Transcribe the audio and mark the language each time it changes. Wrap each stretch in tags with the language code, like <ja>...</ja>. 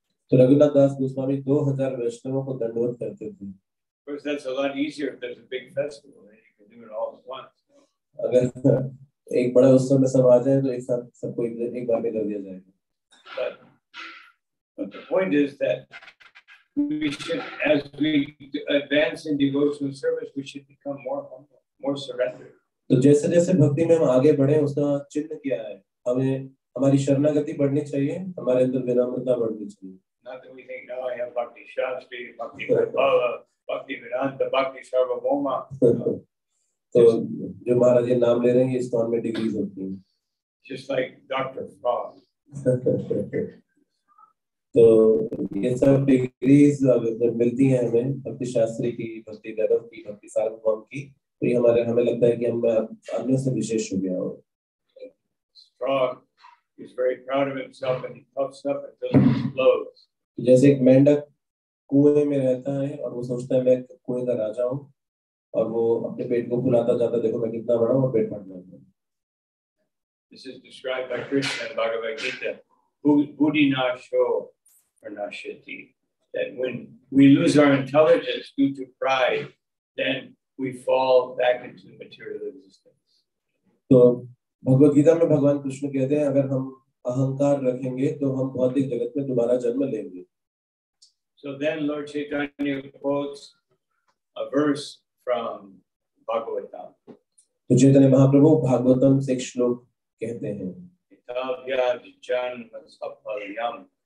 <hi>तो रघुनाथ दास गोस्वामी 2,000 वैष्णवों को दंडवत करते थे.</hi> <en>Of course, that's a lot easier if there's a big festival and you can do it all at once.</en> <hi>अगर एक बड़ा उत्सव में सब आ जाए तो एक साथ सबको एक बार में कर दिया जाएगा.</hi> <en>But But the point is that we should, as we advance in devotional service, we should become more humble, more surrendered.</en> <hi>तो जैसे जैसे भक्ति में हम आगे बढ़े उसका चिन्ह क्या है हमें हमारी शरणागति बढ़नी चाहिए हमारे अंदर विनम्रता बढ़नी चाहिए तो जो महाराज जी नाम ले रहे हैं इस्कॉन में डिग्रीज होती है</hi> <en>Just like Dr. Frog.</en> <hi>तो ये सब डिग्रीज अगर मिलती है हमें भक्ति शास्त्री की भक्ति गौरव की भक्ति सार्वभौम की तो ये हमारे हमें लगता है कि हम अन्य से विशेष हो गया हूँ</hi> <en>Frog is very proud of himself and he puffs up until he explodes.</en> <hi>जैसे एक मेंढक कुएं में रहता है और वो सोचता है मैं कुएं का राजा हूँ और वो अपने पेट को फुलाता जाता देखो मैं कितना बड़ा हूँ पेट फट जाता है</hi> <en>This is described by Krishna in Bhagavad Gita,</en> <sa>Budinasho Pranashati,</sa> <en>that when we lose our intelligence due to pride, then we fall back into material existence.</en> <hi>So, Bhagavad Gita में भगवान कृष्ण कहते हैं अगर हम अहंकार रखेंगे तो हम भौतिक जगत में दोबारा जन्म लेंगे।</hi> <en>So then Lord Chaitanya quotes a verse from Bhagavatam.</en> <hi>तो चैतन्य महाप्रभु भागवतम से एक श्लोक</hi>